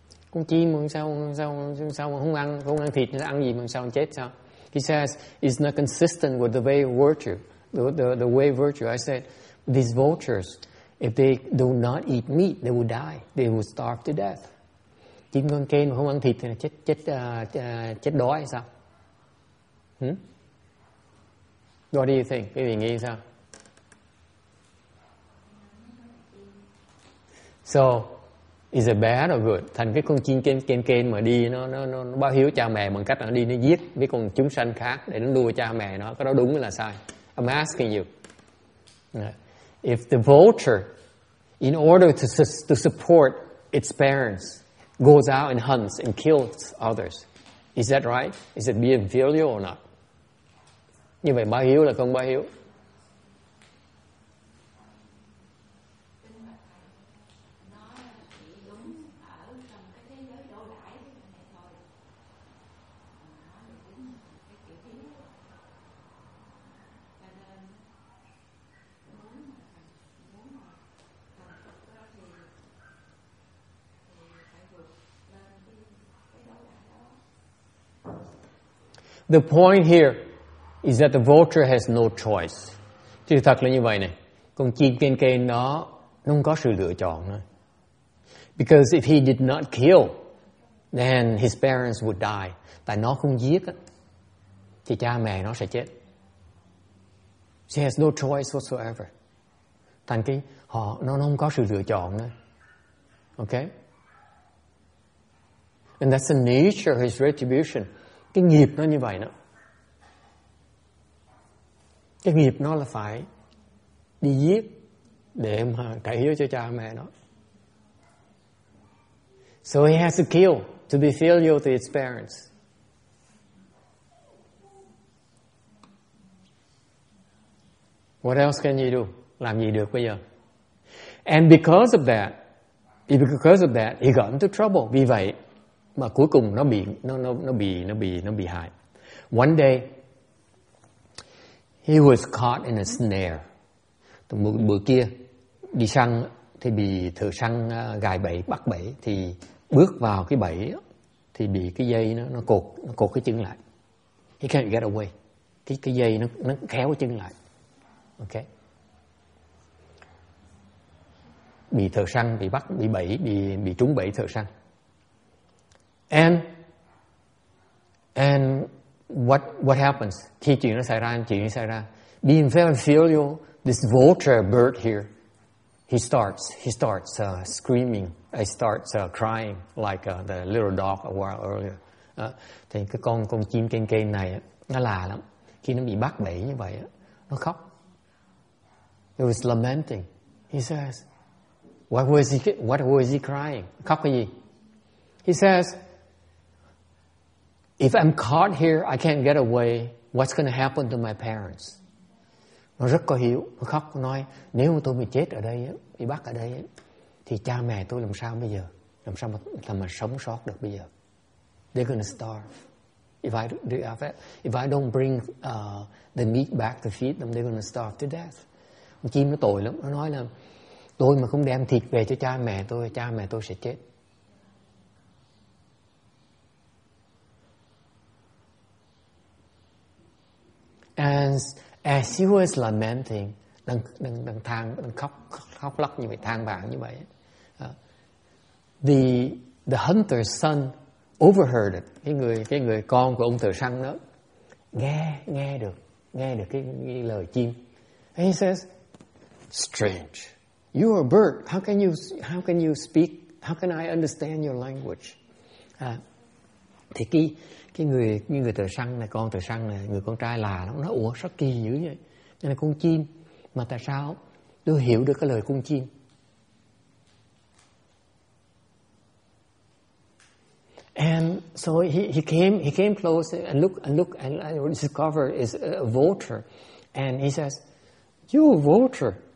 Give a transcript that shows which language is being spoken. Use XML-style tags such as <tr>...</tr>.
<vi>Con chim mà sao mà không ăn thịt nó ăn gì mà sao chết sao?</vi> <en>He says it's not consistent with the way of virtue. The way of virtue. I said these vultures, if they do not eat meat, they will die. They will starve to death.</en> <vi>Chim con kênh mà không ăn thịt thì chết đói sao?</vi> <en>What do you think?</en> <vi>Quý vị nghĩ sao?</vi> <en>So, is it bad or good?</en> <vi>Thành cái con chim kênh mà đi nó báo hiếu cha mẹ bằng cách nó đi nó giết với con chúng sanh khác để nó nuôi cha mẹ nó. Cái đó đúng hay là sai?</vi> <en>I'm asking you. If the vulture, in order to support its parents, goes out and hunts and kills others, is that right? Is it being filial or not?</en> <vi>Như vậy báo hiếu là không báo hiếu.</vi> <en>The point here is that the vulture has no choice.</en> <vi>Chứ thật là như vậy này. Con chim kênh kênh nó không có sự lựa chọn nữa.</vi> <en>Because if he did not kill, then his parents would die.</en> <vi>Tại nó không giết, thì cha mẹ nó sẽ chết.</vi> <en>She has no choice whatsoever.</en> <vi>Thành cái họ nó không có sự lựa chọn nữa. Okay?</vi> <en>And that's the nature of his retribution.</en> <vi>Cái nghiệp nó như vậy đó. Cái nghiệp nó là phải đi giết để mà trả hiếu cho cha mẹ nó.</vi> <en>So he has to kill to be filial to his parents. What else can you do?</en> <vi>Làm gì được bây giờ?</vi> <en>And because of that, he got into trouble.</en> <vi>Vì vậy mà cuối cùng nó bị hại.</vi> <en>One day he was caught in a snare.</en> <vi>Từ một bữa kia đi săn thì bị thợ săn gài bẫy, bắt bẫy, thì bước vào cái bẫy thì bị cái dây nó cột cái chân lại.</vi> <en>He can't get away.</en> <vi>Cái dây nó kéo cái chân lại. Okay. Bị thợ săn bị bắt, bị trúng bẫy thợ săn.</vi> <en>And what happens?</en> <vi>Khi chuyện nó xảy ra.</vi> <en>Being very filial, this vulture bird here, he starts screaming. He starts crying like the little dog a while earlier.</en> <vi>Thì cái con chim kênh kênh này nó lạ lắm. Khi nó bị bắt bẫy như vậy, nó khóc.</vi> <en>It was lamenting. He says, "What was he crying?"</en> <vi>Khóc cái gì?</vi> <en>He says, If I'm caught here, I can't get away. What's going to happen to my parents?</en> <vi>Nó rất có hiểu, nó khóc nói, nếu tôi bị chết ở đây, bị bắt ở đây, thì cha mẹ tôi làm sao bây giờ? Làm sao mà sống sót được bây giờ?</vi> <en>They're going to starve. If I don't bring the meat back to feed them, they're going to starve to death.</en> <vi>Con chim nó tội lắm, nó nói là, tôi mà không đem thịt về cho cha mẹ tôi sẽ chết.</vi> <en>And as he was lamenting,</en> <vi>đang khóc lóc như vậy,</vi> <en>than vãn như vậy, the hunter's son overheard it.</en> <vi>Cái người con của ông thợ săn đó nghe được cái lời chim.</vi> <en>And he says, strange. You are a bird. How can you speak? How can I understand your language?</en> <vi>Thì cái người thợ săn này, con thợ săn này, người con trai là nó ủa sao kỳ dữ vậy? Nên là con chim mà tại sao tôi hiểu được cái lời con chim?</vi> <en>And so he came close and look and discovered is a vulture, and he says, "You a vulture?</en>